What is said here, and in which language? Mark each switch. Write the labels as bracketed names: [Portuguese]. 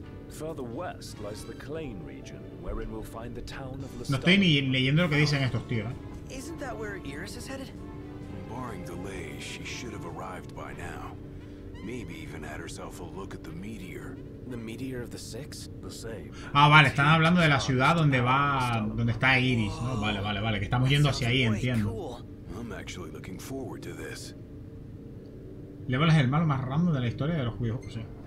[English] Further west lies the Klain region, wherein we'll find the town of Lestat. [Spanish] No estoy ni leyendo lo que dicen estos tíos, ¿eh? [English] Isn't that where Iris is headed? Barring delays, she should have arrived by now. Maybe even had herself a look at the meteor. The meteor of the six? The same. [Spanish] Ah, vale, están hablando de la ciudad donde va, donde está Iris, ¿no? Vale, que estamos yendo hacia ahí, entiendo. [English] I'm actually looking forward to this. [Spanish] Level es el malo más random de la historia de los juegos, o sea.